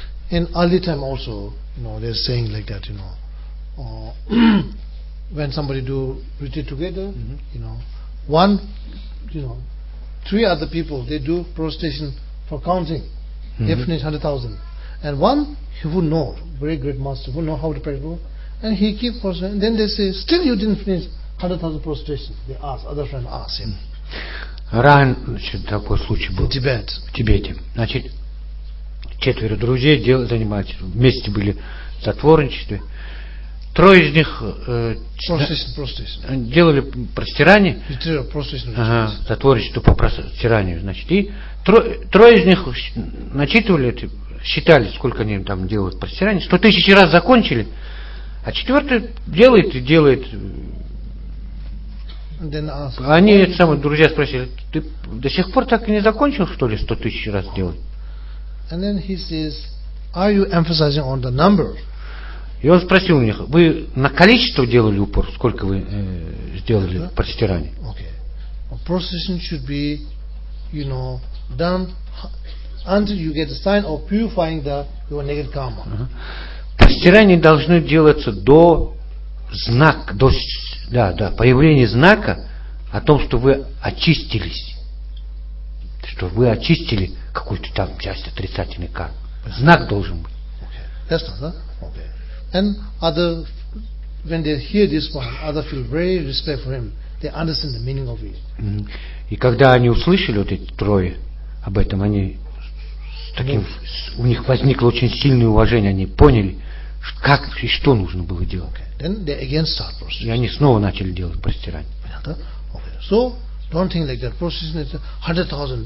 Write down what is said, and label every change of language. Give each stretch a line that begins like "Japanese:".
English: In early time also, you know, they're saying like that, you know, when somebody do retreat together, you know, one, you know, three other people, they do prostration for counting, they finish 100,000. And one, he would know, very great master, who know how to pray, and he keep prostration, and then they say, still you didn't finish 100,000 prostration, they ask, other friend ask him.
Russian: Ран, значит, такой случай был. В Тибет. В Тибете. Значит, четверо друзей занимались, вместе были в затворничестве. Трое из них делали простирание. Затворничество по простиранию. Значит, и трое из них начитывали, считали, сколько они там делают простирание. 100 000 раз закончили, а четвертый делает. Они эти самые друзья спросили, ты до сих пор так и не закончил, что ли, 100 000 раз делать?
English: And then he says, "Are you emphasizing on the number?"
Russian: И он спросил у них: "Вы на количество делали упор? Сколько вы сделали простираний?"
English: Okay. Prostration should be, you know, done until you get the sign of purifying the your negative karma.
Russian: Простирания должны делаться до знак, до появления знака о том, что вы очистились, что вы очистили какую-то там часть отрицательной кармы. Знак должен быть.
English: Okay. That's not, okay. And other, when they hear this one, other feel very respect for him. They understand the meaning of it.
Russian: И когда они услышали вот эти трое об этом, они с таким, у них возникло очень сильное уважение, они поняли, как и что нужно было делать.
English: Okay. Then they again start prostration.
Russian: И они снова начали делать простирание.
English: Okay. So, don't think like that. Prostration is 100,000.